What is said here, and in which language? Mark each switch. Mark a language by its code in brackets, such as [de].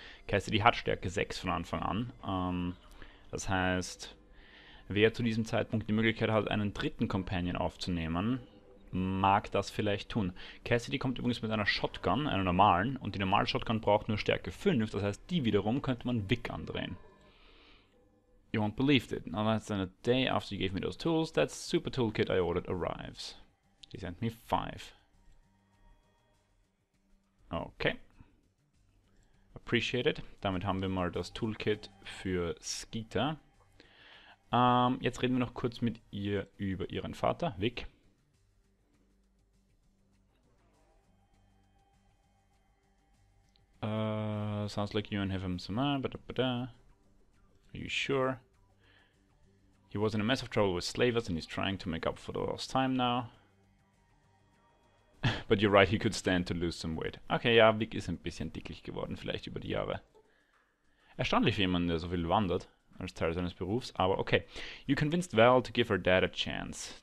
[de] Cassidy hat Stärke 6 von Anfang an. Das heißt, wer zu diesem Zeitpunkt die Möglichkeit hat, einen dritten Companion aufzunehmen, mag das vielleicht tun. Cassidy kommt übrigens mit einer Shotgun, einer normalen, und die normale Shotgun braucht nur Stärke 5, das heißt, die wiederum könnte man Vic andrehen. [en] You won't believe it. Now that's in a day after you gave me those tools, that super toolkit I ordered arrives. He sent me 5. Okay. Appreciate it. [de] Damit haben wir mal das Toolkit für Skeeter. Jetzt reden wir noch kurz mit ihr über ihren Vater, Vic. [en] Sounds like you and him somehow, but are you sure? He was in a mess of trouble with slavers and he's trying to make up for the lost time now. But you're right, he could stand to lose some weight. [de] Okay, ja, Vic ist ein bisschen dicklich geworden, vielleicht über die Jahre. Erstaunlich für jemanden, der so viel wandert, als Teil seines Berufs, aber okay. [en] You convinced Val to give her dad a chance.